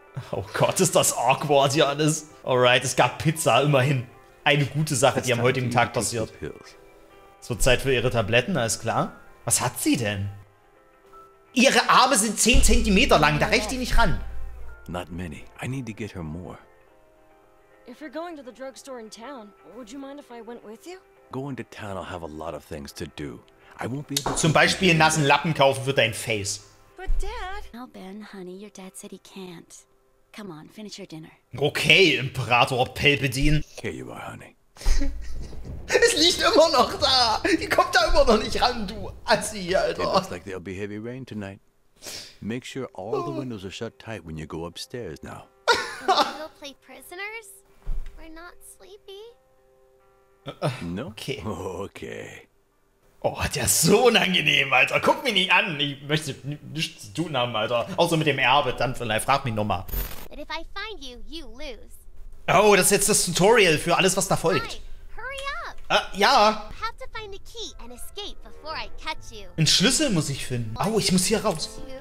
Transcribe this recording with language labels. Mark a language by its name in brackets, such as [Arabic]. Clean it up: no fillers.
[German] Oh Gott, ist das awkward hier alles. Alright, es gab Pizza, immerhin. Eine gute Sache, die am heutigen Tag passiert. So, Zeit für ihre Tabletten, alles klar. Was hat sie denn? Ihre Arme sind 10 cm lang, da reicht die nicht ran. [English] Not many. I need to get her more. If you're going to the drugstore in town, would you mind if I went with you? Going to town, I'll have a lot of things to do. I won't be able to... [German] Zum Beispiel einen nassen Lappen kaufen für dein Face. [English] But Dad... Now Ben, honey, your dad said he can't. Come on, finish your dinner. [German] Okay, Imperator Palpatine. [English] Here you are, honey. [German] Es liegt immer noch da. Die kommt da immer noch nicht ran, du Assi, Alter. [English] It looks like there'll be heavy rain tonight. Make sure all the windows are shut tight when you go upstairs now. Can we go play prisoners? We're not sleepy. No? Okay. Okay. [German] Oh, der ist so unangenehm, Alter. Guck mich nicht an. Ich möchte nichts zu tun haben, Alter. Außer mit dem Erbe. Dann vielleicht frag mich nochmal. Oh, das ist jetzt das Tutorial für alles, was da folgt. [English] Hurry up. [German] Ja. [English] I have to find a key and escape before I catch you. [German] Einen Schlüssel muss ich finden. Oh, ich muss hier raus.